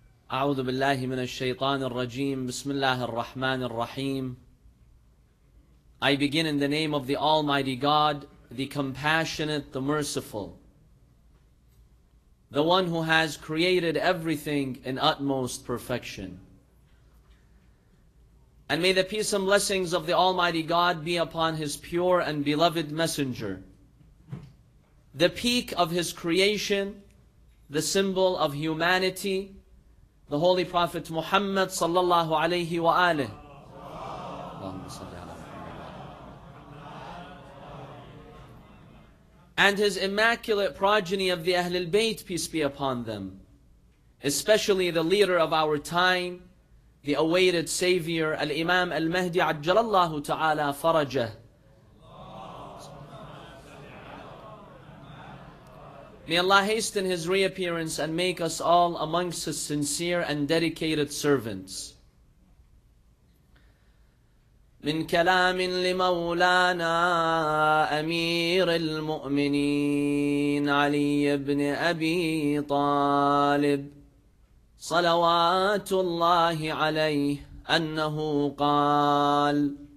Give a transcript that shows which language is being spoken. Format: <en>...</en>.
<ar>أعوذ بالله من الشيطان الرجيم، بسم الله الرحمن الرحيم.</ar> <en>I begin in the name of the Almighty God, the Compassionate, the Merciful, the one who has created everything in utmost perfection. And may the peace and blessings of the Almighty God be upon His pure and beloved Messenger, the peak of His creation, the symbol of humanity, the Holy Prophet Muhammad sallallahu alayhi wa alihi.</en> <ar>Allahumma salli ala Muhammad.</ar> <en>And his immaculate progeny of the Ahlul Bayt, peace be upon them, especially the leader of our time, the awaited Savior, Al-Imam Al-Mahdi ajjalallahu ta'ala farajah. May Allah hasten His reappearance and make us all amongst His sincere and dedicated servants.</en> <ar>من كلام لمولانا أمير المؤمنين علي بن أبي طالب صلوات الله عليه أنه قال</ar>